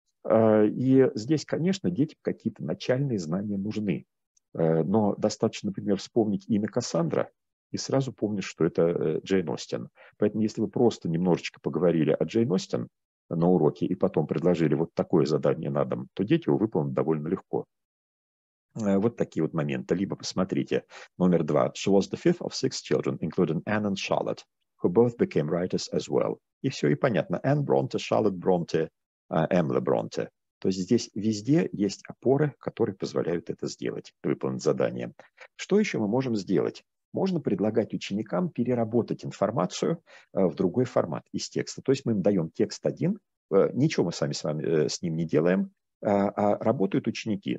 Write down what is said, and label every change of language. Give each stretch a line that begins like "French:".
Russian: И здесь, конечно, детям какие-то начальные знания нужны. Но достаточно, например, вспомнить имя Кассандра, и сразу помнишь, что это Джейн Остин. Поэтому если вы просто немножечко поговорили о Джейн Остин на уроке и потом предложили вот такое задание на дом, то дети его выполнят довольно легко. Вот такие вот моменты. Либо посмотрите. Номер два.
English: She was the fifth of six children, including Anne and Charlotte, who both became writers as well.
Russian: И все, и понятно. Anne Bronte, Charlotte Bronte, Emily Bronte. То есть здесь везде есть опоры, которые позволяют это сделать, выполнить задание. Что еще мы можем сделать? Можно предлагать ученикам переработать информацию в другой формат из текста. То есть мы им даем текст один, ничего мы сами с вами с ним не делаем, а работают ученики.